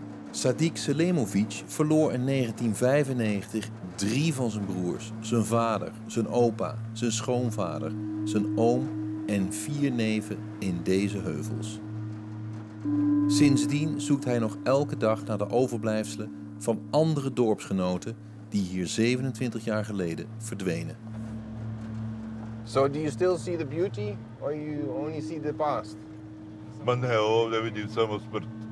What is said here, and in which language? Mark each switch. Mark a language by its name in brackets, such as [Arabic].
[Dutch] Sadik Selimović verloor in 1995 3 van zijn broers, zijn vader, zijn opa, zijn schoonvader, zijn oom en 4 neven in deze heuvels. Sindsdien zoekt hij nog elke dag naar de overblijfselen van andere dorpsgenoten die hier 27 jaar geleden verdwenen. [English] So do you still see the beauty or you only see the past? [Dutch] Maar nee, hoor, dat we niet samen sport.